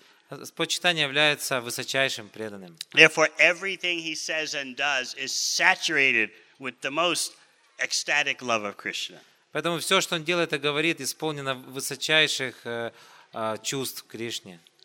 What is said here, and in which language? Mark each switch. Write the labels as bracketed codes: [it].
[ru] Господь Чайтанья является высочайшим преданным. [en] Therefore, everything he says and does is saturated with the most ecstatic love of Krishna. [ru] Поэтому все, что он делает и говорит, исполнено высочайших чувств Кришне.